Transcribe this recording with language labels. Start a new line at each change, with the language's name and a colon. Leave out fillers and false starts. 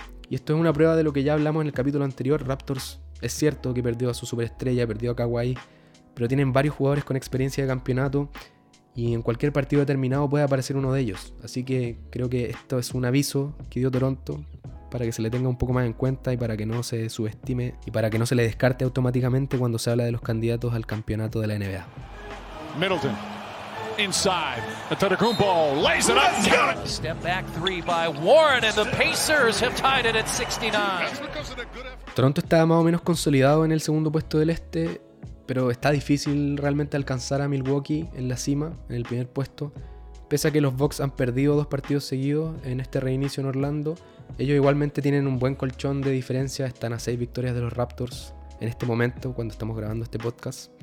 Spanish: Y esto es una prueba de lo que ya hablamos en el capítulo anterior. Raptors es cierto que perdió a su superestrella, perdió a Kawhi, pero tienen varios jugadores con experiencia de campeonato y en cualquier partido determinado puede aparecer uno de ellos. Así que creo que esto es un aviso que dio Toronto para que se le tenga un poco más en cuenta y para que no se subestime y para que no se le descarte automáticamente cuando se habla de los candidatos al campeonato de la NBA.
English: Middleton. Inside, Antetokounmpo lays it up. Step back three by Warren, and the Pacers have tied it at 69.
Spanish: Toronto está más o menos consolidado en el segundo puesto del este, pero está difícil realmente alcanzar a Milwaukee en la cima, en el primer puesto. Pese a que los Bucks han perdido dos partidos seguidos en este reinicio en Orlando, ellos igualmente tienen un buen colchón de diferencia, están a 6 victorias de los Raptors en este momento, cuando estamos grabando este podcast.